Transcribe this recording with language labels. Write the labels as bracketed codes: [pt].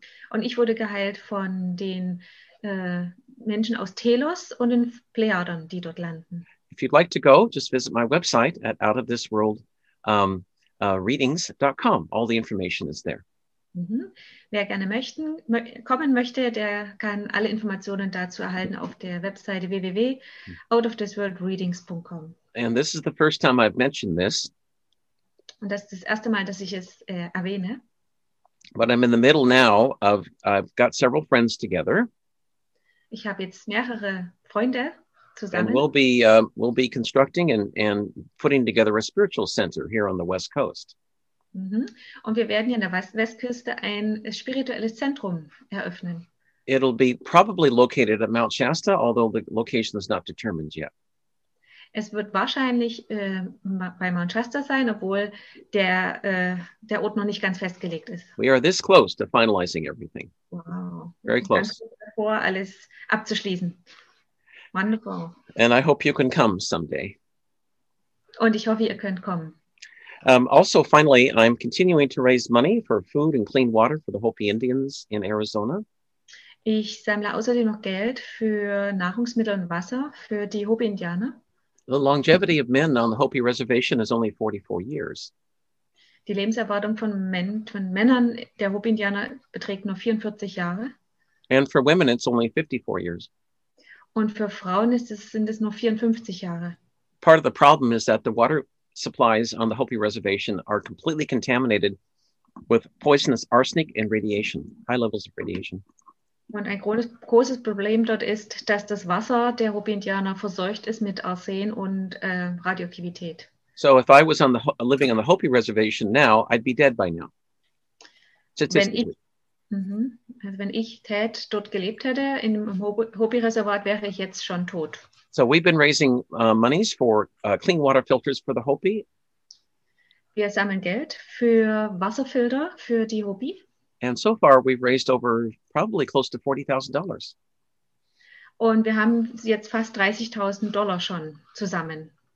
[de] Und ich wurde geheilt von den Menschen aus Telos und den Plejaden, die dort landen. [en] If you'd like to go, just visit my website at outofthisworldreadings.com. All the information is there. [de] Wer gerne kommen möchte, der kann alle Informationen dazu erhalten auf der Webseite www.outofthisworldreadings.com. [en] And this is the first time I've mentioned this. [de] Und das ist das erste Mal, dass ich es erwähne. [en] But I'm in the middle now of I've got several friends together. [de] Ich habe jetzt mehrere Freunde zusammen. [en] And we'll be constructing and putting together a spiritual center here on the West Coast. [de] Und wir werden hier an der Westküste ein spirituelles Zentrum eröffnen. [en] It'll be probably located at Mount Shasta, although the location is not determined yet. [de] Es wird wahrscheinlich bei Mount Shasta sein, obwohl der Ort noch nicht ganz festgelegt ist. [en] We are this close to finalizing everything. Wow. Very close. [de] Ganz davor, alles abzuschließen. [en] Wonderful. And I hope you can come someday. [de] Und ich hoffe, ihr könnt kommen. [en] Also, finally, I'm continuing to raise money for food and clean water for the Hopi Indians in Arizona. [de] Ich sammle außerdem noch Geld für Nahrungsmittel und Wasser für die Hopi Indianer. [en] The longevity of men on the Hopi Reservation is only 44 years. [de] Die Lebenserwartung von Männern der Hopi-Indianer beträgt nur 44 Jahre. [en] And for women, it's only 54 years. [de] Und für Frauen sind es nur 54 Jahre. [en] Part of the problem is that the water supplies on the Hopi Reservation are completely contaminated with poisonous arsenic and radiation, high levels of radiation. [de] Und ein großes Problem dort ist, dass das Wasser der Hopi-Indianer verseucht ist mit Arsen und Radioaktivität. [en] So if I was living on the Hopi Reservation now, I'd be dead by now. [de] Wenn ich dort gelebt hätte, in dem Hopi-Reservat, wäre ich jetzt schon tot. [en] So we've been raising monies for clean water filters for the Hopi. [de] Wir sammeln Geld für Wasserfilter für die Hopi. [en] And so far we've raised over probably close to $40,000. [de] Und wir haben jetzt fast $30,000 schon zusammen.